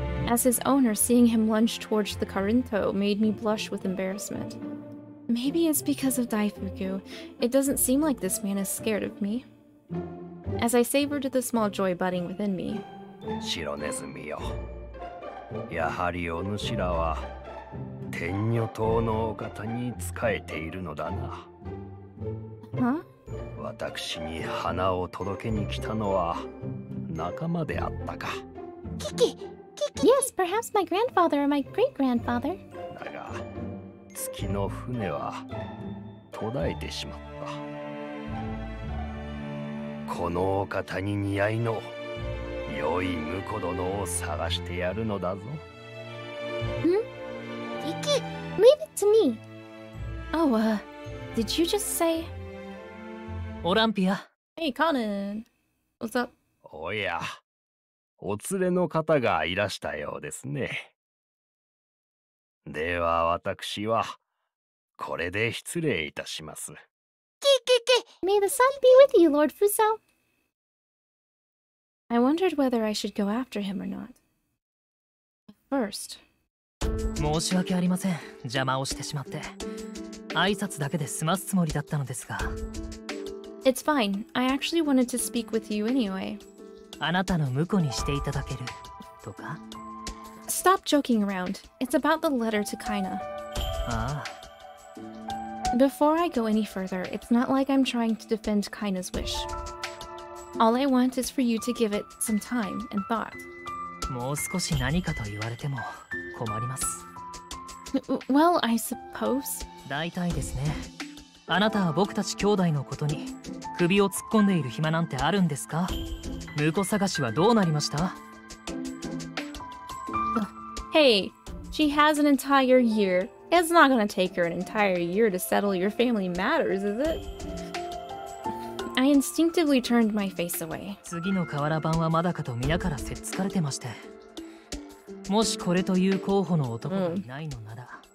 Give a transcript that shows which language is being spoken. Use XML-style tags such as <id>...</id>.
<en>As his owner, seeing him lunge towards the Karinto made me blush with embarrassment. Maybe it's because of Daifuku. It doesn't seem like this man is scared of me. As I savored the small joy budding within me.</en> <ja>白ネズミよ。やはりお主らは天女島のお方に仕えているのだな。私に花を届けに来たのは仲間であったか。キキ、キキ。</ja> <en>Yes, perhaps my grandfather or my great-grandfather.</en> <ja>だが。月の船は途絶えてしまった。このお方に似合いの良い婿殿を探してやるのだぞ。行け。</ja> <en>Leave it to me. Oh, did you just say?</en> <ja>オランピア。</ja> <en>Hey, Conan. What's up?</en> <ja>おや、お連れの方がいらしたようですね。では私はこれで失礼いたします。キキキ!</ja> <en>May the sun be with you, Lord Fuso! I wondered whether I should go after him or not. First.</en> <ja>申し訳ありません。邪魔をしてしまって。挨拶だけで済ますつもりだったのですが。</ja> <en>It's fine. I actually wanted to speak with you anyway.</en> <ja>あなたの婿にしていただけるとか?</ja> <en>Stop joking around. It's about the letter to Kaina. Ah. Before I go any further, it's not like I'm trying to defend Kaina's wish. All I want is for you to give it some time and thought.</en> <ja>もう少し何かと言われても困ります。</ja> <en>Well, I suppose.</en> <ja>大体ですね。あなたは僕たち兄弟のことに首を突っ込んでいる暇なんてあるんですか? 婿探しはどうなりました?</ja> <en>Hey, she has an entire year. It's not gonna take her an entire year to settle your family matters, is it? I instinctively turned my face away.</en> <ja>次の瓦版はまだかと皆からせっつかれてまして。もしこれという候補の男がいないのなら。</ja>